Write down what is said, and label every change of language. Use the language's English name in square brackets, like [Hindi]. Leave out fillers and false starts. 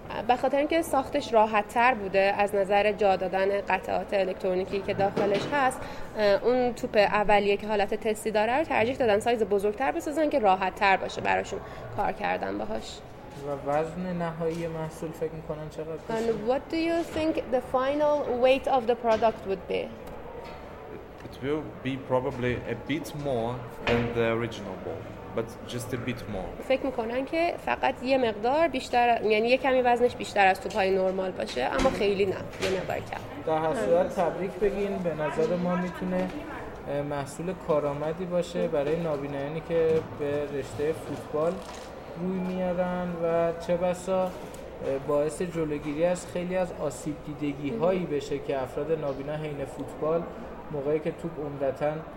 [Persian] به خاطر اینکه ساختش راحت تر بوده از نظر جا دادن قطعات الکترونیکی که داخلش هست، اون توپ اولیه که حالت تستی داره رو ترجیح دادن سایز بزرگتر بسازن که راحت تر باشه براشون کار کردن باهاش. و وزن نهایی محصول فکر میکنن چقدر باشه؟ [English] And what do you think the final weight of the product would be? It will be probably a bit more than the original ball. But just a bit more. [Persian] فکر میکنن که فقط یه مقدار بیشتر، یعنی یه کمی وزنش بیشتر از توپای نرمال باشه، اما خیلی نه، یه مقدار کم. در هر صورت تبریک بگین، به نظر ما میتونه محصول کارآمدی باشه برای نابینایانی که به رشته فوتبال روی میارن و چه بسا باعث جلوگیری از خیلی از آسیب دیدگی هایی بشه که افراد نابینا حین فوتبال موقعی که توپ عمدتاً